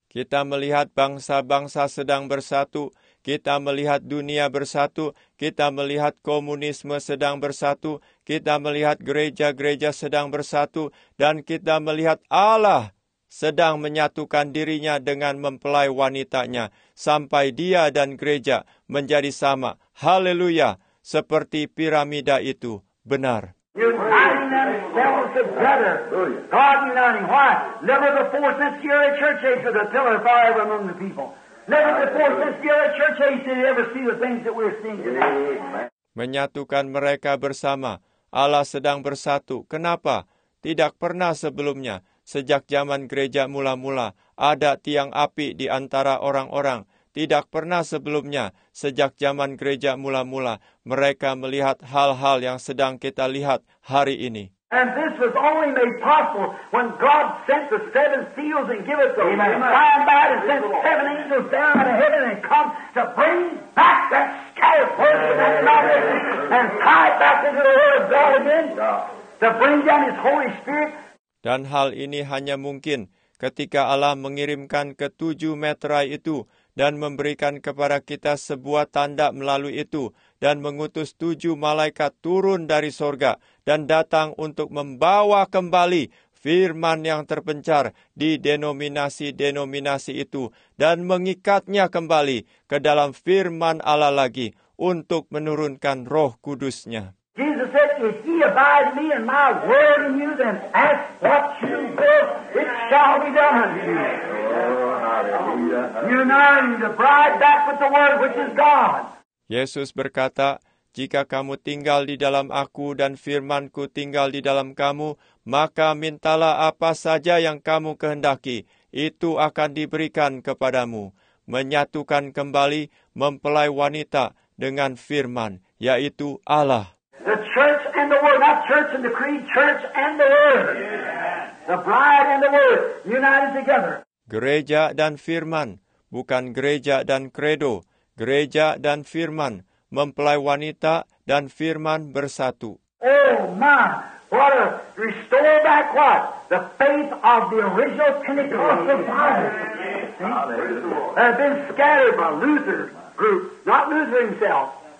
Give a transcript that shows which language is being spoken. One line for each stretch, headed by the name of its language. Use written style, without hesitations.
Indonesian: Kita melihat bangsa-bangsa sedang bersatu, kita melihat dunia bersatu, kita melihat komunisme sedang bersatu, kita melihat gereja-gereja sedang bersatu, dan kita melihat Allah sedang menyatukan dirinya dengan mempelai wanitanya, sampai dia dan gereja menjadi sama. Haleluya, seperti piramida itu benar.
English: Uniting themselves together. God uniting. Why? Never before since the early church age was a pillar of fire among the people. Never before since the early church age did you ever see the things that we're seeing today.
Indonesian: Menyatukan mereka bersama. Allah sedang bersatu. Kenapa? Tidak pernah sebelumnya, sejak zaman gereja mula-mula, ada tiang api di antara orang-orang. Tidak pernah sebelumnya, sejak zaman gereja mula-mula, mereka melihat hal-hal yang sedang kita lihat hari ini.
English: And this was only made possible when God sent the seven seals and gave us the sign by it and sent seven angels down out of heaven and come to bring back that scattered person and tie it back into the Word of God again, to bring down his Holy Spirit.
Indonesian: Dan hal ini hanya mungkin ketika Allah mengirimkan ketujuh meterai itu dan memberikan kepada kita sebuah tanda melalui itu dan mengutus tujuh malaikat turun dari sorga dan datang untuk membawa kembali firman yang terpencar di denominasi-denominasi itu dan mengikatnya kembali ke dalam firman Allah lagi untuk menurunkan Roh Kudus-Nya.
English: Jesus said, if ye abide me and my word in you, then ask what you will, it shall be done unto you. Uniting the bride back with the word, which is God.
Indonesian: Yesus berkata, jika kamu tinggal di dalam aku dan firman-Ku tinggal di dalam kamu, maka mintalah apa saja yang kamu kehendaki, itu akan diberikan kepadamu. Menyatukan kembali mempelai wanita dengan firman, yaitu Allah.
English: The church and the word, not church and the creed, church and the word. The bride and the word, united together.
Indonesian: Gereja dan firman, bukan gereja dan credo. Gereja dan firman, mempelai wanita dan firman bersatu.
English: Oh my, what a restore back what? The faith of the original Pentecostal Bible. That have been scattered by Luther group, not Luther himself.